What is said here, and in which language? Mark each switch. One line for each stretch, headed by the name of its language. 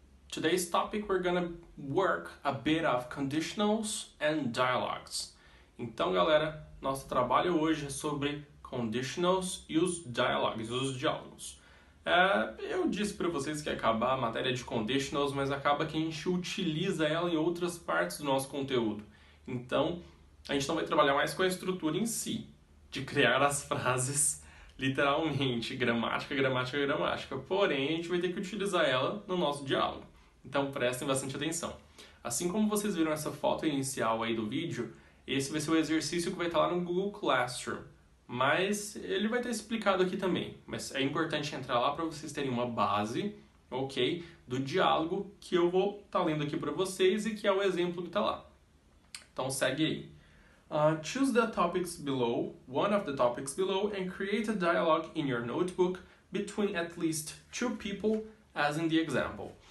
English: Today's topic, we're gonna work a bit of conditionals and dialogues.
Portuguese: Então, galera, nosso trabalho hoje é sobre conditionals e os dialogues, os diálogos. Eu disse para vocês que ia acabar a matéria de conditionals, mas acaba que a gente utiliza ela em outras partes do nosso conteúdo. Então, a gente não vai trabalhar mais com a estrutura em si, de criar as frases literalmente, gramática, gramática, gramática. Porém, a gente vai ter que utilizar ela no nosso diálogo. Então, prestem bastante atenção. Assim como vocês viram essa foto inicial aí do vídeo, esse vai ser o exercício que vai estar lá no Google Classroom. Mas ele vai estar explicado aqui também. Mas é importante entrar lá para vocês terem uma base, ok, do diálogo que eu vou estar lendo aqui para vocês e que é o exemplo que está lá. Então, segue aí.
English: Choose the topics below, one of the topics below, and create a dialogue in your notebook between at least two people, as in the example.